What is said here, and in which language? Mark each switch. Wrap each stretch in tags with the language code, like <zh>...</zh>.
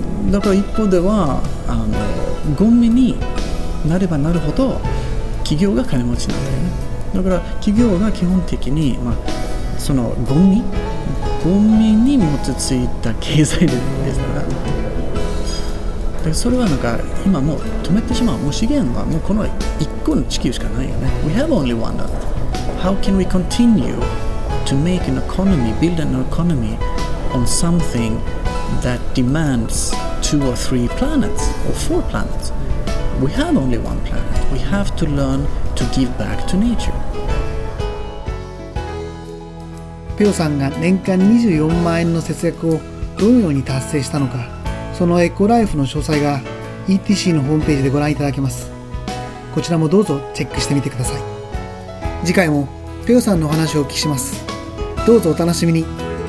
<ja>だから一方ではあのゴミになればなるほど企業が金持ちなんだよね。だから企業が基本的に、まあ、そのゴミに基づいた経済ですから、でそれはなんか今もう止めてしまう。もう資源はもうこの一個の地球しかないよね。</ja> <en>We have only one earth. How can we continue to make an economy, build an economy on something that demands two or three planets or four planets? We have only one planet. We have to learn to give back to nature.</en> <ja>ペオさんが年間24万円の節約をどのように達成したのか、そのエコライフの詳細が ETC のホームページでご覧いただけます。こちらもどうぞチェックしてみてください。次回もペオさんのお話をお聞きします。どうぞお楽しみに。</ja>